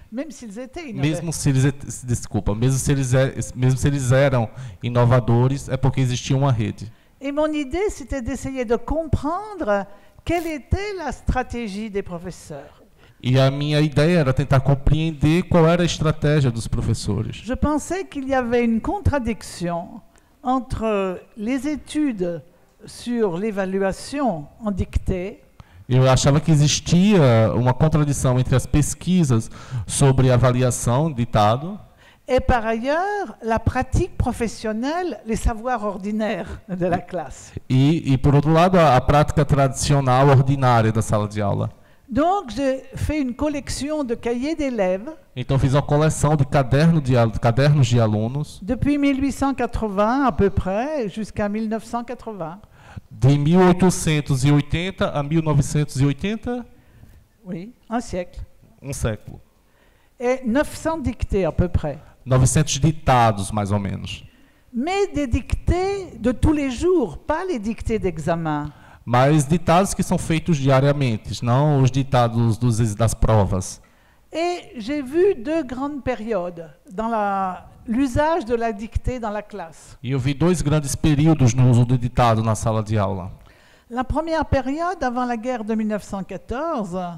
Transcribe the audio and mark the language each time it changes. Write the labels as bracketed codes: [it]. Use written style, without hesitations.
[pt] Mesmo se eles eram inovadores, é porque existia uma rede. E minha ideia era tentar compreender qual era a estratégia dos professores. E a minha ideia era tentar compreender qual era a estratégia dos professores. [fr] Je pensais qu'il y avait une contradiction entre les études sur l'évaluation en dictée. [pt] Eu achava que existia uma contradição entre as pesquisas sobre avaliação ditado. [fr] Et par ailleurs, la pratique professionnelle, les savoirs ordinaires de la classe. [pt] E por outro lado, a prática tradicional ordinária da sala de aula. [fr] Donc j'ai fait une collection de cahiers d'élèves. [pt] Então fiz uma coleção de cadernos de alunos. [fr] Depuis 1880 à peu près jusqu'à 1980. [pt] De 1880 à 1980? [fr] Oui, un siècle. [pt] Um século. [fr] Et 900 dictées à peu près. [pt] 900 ditados mais ou menos. [fr] Mais des dictées de tous les jours, pas les dictées d'examen. [pt] Mas ditados que são feitos diariamente, não os ditados das provas. [fr] E j'ai vu deux grandes périodes dans l'usage de la dictée dans la classe. [pt] E eu vi dois grandes períodos no uso do ditado na sala de aula. [fr] La première période avant la guerre de 1914.